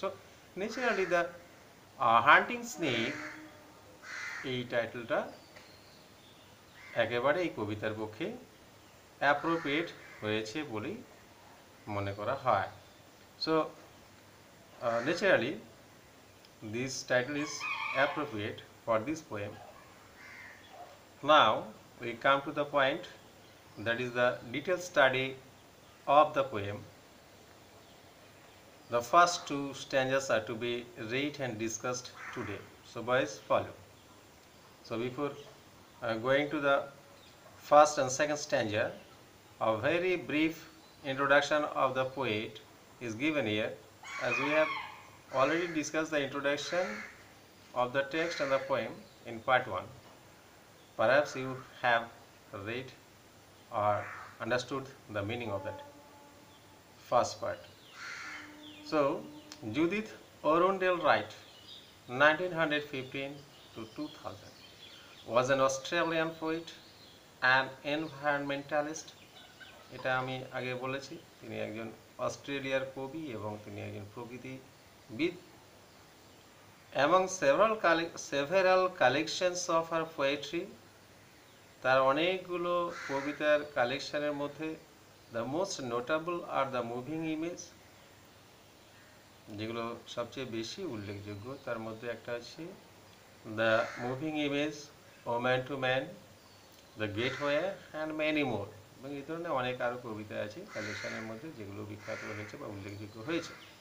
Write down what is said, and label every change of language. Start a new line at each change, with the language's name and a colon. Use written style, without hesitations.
English: so naturally the hunting snake,
Bangla: এই টাইটেলটা একেবারে এই কবিতার পক্ষে অ্যাপ্রোপ্রিয়েট হয়েছে বলেই মনে করা হয়।
English: So naturally this title is appropriate for this poem. Now we come to the point, that is the detail study of the poem. The first two stanzas are to be read and discussed today. So boys, follow. So before going to the first and second stanza, a very brief introduction of the poet is given here. As we have already discussed the introduction of the text and the poem in part one, perhaps you have read or understood the meaning of that first part. So Judith Arundel Wright, 1915 to 2000, was an Australian poet and environmentalist.
Bangla: এটা আমি আগে বলেছি, তিনি একজন অস্ট্রেলিয়ার কবি এবং তিনি একজন প্রকৃতিবিদ। এবং
English: several collections of her poetry,
Bangla: তার অনেকগুলো কবিতার কালেকশনের মধ্যে
English: the most notable are the moving image,
Bangla: যেগুলো সবচেয়ে বেশি উল্লেখযোগ্য তার মধ্যে একটা আছে the moving image,
English: woman to man, the gateway and many more,
Bangla: এবং এই ধরনের অনেক আরও কবিতা আছে কালেকশনের মধ্যে যেগুলো বিখ্যাত হয়েছে বা উল্লেখযোগ্য হয়েছে।